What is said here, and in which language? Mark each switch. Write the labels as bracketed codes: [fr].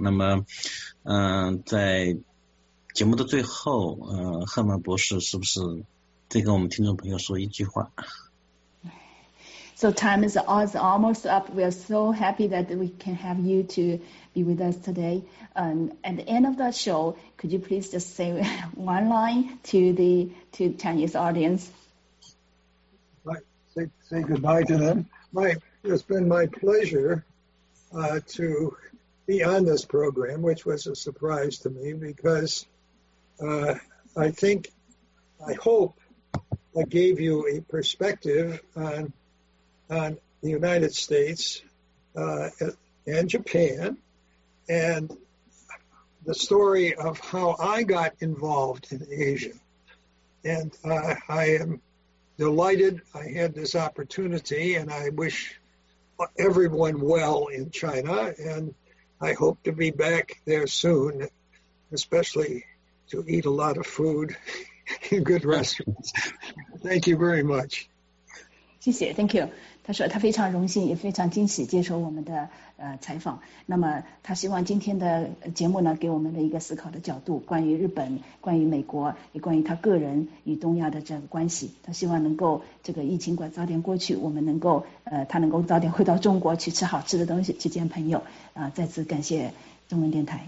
[zh] 那么在节目的最后，赫尔曼博士是不是再跟我们听众朋友说一句话？ [en] So time is almost up. We are so happy that we can have you to be with us today. At the end of the show, could you please just say one line to the Chinese audience? Right. Say goodbye to them. It's been my pleasure to be on this program, which was a surprise to me because I hope I gave you a perspective on the United States and Japan and the story of how I got involved in Asia. And I am delighted I had this opportunity, and I wish everyone well in China, and I hope to be back there soon, especially to eat a lot of food in good restaurants. Thank you very much. [zh] 谢谢 [en] ，Thank you。 [zh] 他说他非常荣幸，也非常惊喜接受我们的采访。那么他希望今天的节目呢，给我们的一个思考的角度，关于日本、关于美国，也关于他个人与东亚的这个关系。他希望能够这个疫情管早点过去，我们能够他能够早点回到中国去吃好吃的东西，去见朋友。再次感谢中文电台。